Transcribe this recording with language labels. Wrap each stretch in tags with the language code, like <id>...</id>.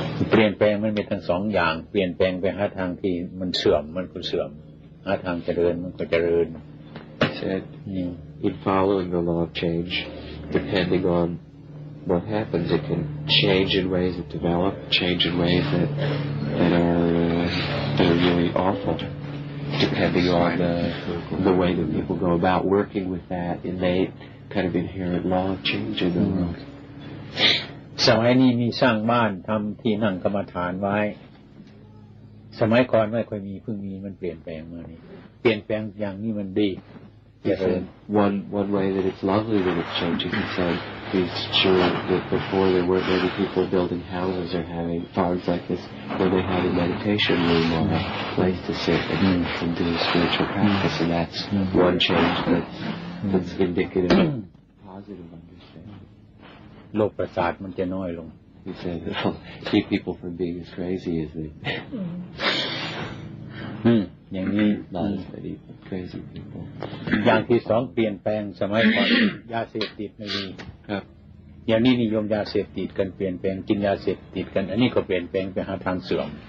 <th>เปลี่ยนแปลงมันมีทั้งสองอย่างเปลี่ยนแปลงไปหาทางที่มันเสื่อมมันก็เสื่อมหาทางเจริญมันก็เจริญ</th> <en>He said, in following the law of change, depending on what happens. It can change in ways that develop, change in ways that are really awful, depending on the way that people go about working with that innate kind of inherent law of change in the world.</en> <th>สมัยนี้มีสร้างบ้านทำที่นั่งกรรมฐานไว้สมัยก่อนไม่ค่อยมีเพิ่งมีมันเปลี่ยนแปลงมานี่เปลี่ยนแปลงอย่างนี้มันดี</th> <en>One way that it's lovely that it's changing. He said he's sure that before there weren't many people building houses or having farms like this where they had a meditation room or a place to sit and do spiritual practice. And that's one change that's indicative of positive understanding. He said it'll keep people from being as crazy as they.</en> <th>อย่างนี้</th> <en>crazy</en> <th>อย่างที่สองเปลี่ยนแปลงสมัยก่อนยาเสพติดไม่มี ครับ อย่างนี้นิยมยาเสพติดกันเปลี่ยนแปลงกินยาเสพติดกันอันนี้ก็เปลี่ยนแปลงไปหาทางเสื่อม</th>